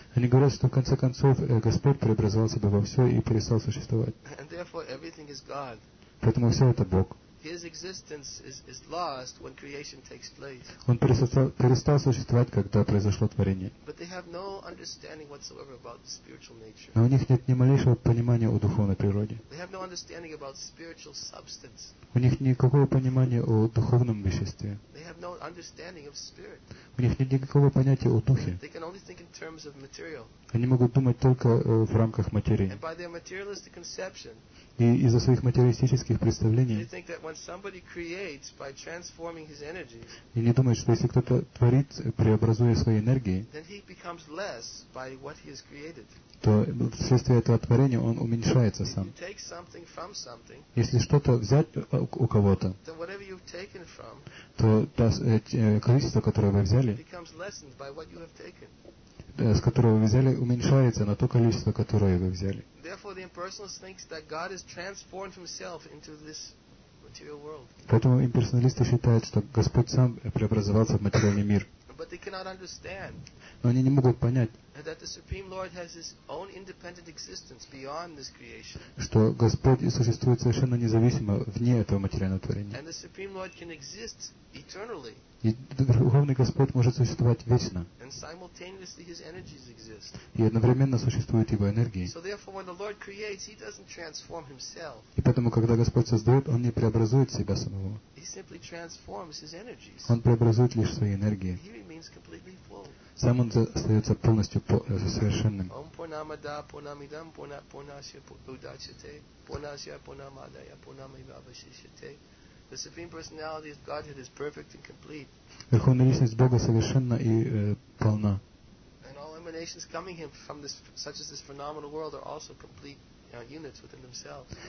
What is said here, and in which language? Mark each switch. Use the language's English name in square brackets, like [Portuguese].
[Russian] Они говорят, что в конце концов Господь преобразовался бы во все и перестал существовать. [English] And therefore, everything is God. [Russian] Поэтому все это Бог. [English] His existence is lost when creation takes place. [Russian] Он перестал существовать, когда произошло творение. [English] But they have no understanding whatsoever about the spiritual nature. [Russian] Но у них нет ни малейшего понимания о духовной природе. [English] They have no understanding about spiritual substance. [Russian] У них никакого понимания о духовном веществе. [English] They have no understanding of spirit. [Russian] У них нет никакого понятия о духе. [English] They can only think in terms of material. [Russian] Они могут думать только в рамках материи. [English] And by their materialistic conception. [Russian] И из-за своих материалистических представлений. [English] You think that when somebody creates by transforming his energies. [Russian] И не думают, что если кто-то творит, преобразуя свои энергии. [English] Then he becomes less by what he has created. [Russian] То вследствие этого творения он уменьшается сам. [English] You take something from something. [Russian] Если что-то взять у кого-то. [English] Then whatever you've taken from. [Russian] То количество, которое вы взяли. [English] Becomes lessened by what you have taken. [Russian] С которого вы взяли, уменьшается на то количество, которое вы взяли. [English] Therefore, the impersonalist thinks that God has transformed Himself into this material world. [Russian] Поэтому имперсоналисты считают, что Господь сам преобразовался в материальный мир. [English] But they cannot understand. [Russian] Но они не могут понять. [English] That the Supreme Lord has His own independent existence beyond this creation. [Russian] Что Господь существует совершенно независимо вне этого материального творения. [English] And the Supreme Lord can exist eternally. [Russian] И Верховный Господь может существовать вечно. [English] And simultaneously His energies exist. [Russian] И одновременно существуют Его энергии. [English] So therefore, when the Lord creates, He doesn't transform Himself. [Russian] И поэтому, когда Господь создает, Он не преобразует Себя самого. [English] He simply transforms His energies. [Russian] Он преобразует лишь свои энергии. [English] He remains completely full. [Russian] Сам Он остается полностью совершенным. [Sanskrit] Ом Пурнамада Пурнамидам Пурнасья Удачате Пурнасья Пурнамадая Пурнамивавасисяте. [English] The Supreme Personality of Godhead is perfect and complete. [Russian] Верховная личность Бога совершенна и полна. [English] And all emanations coming him from this, such as this phenomenal world, are also complete units within themselves.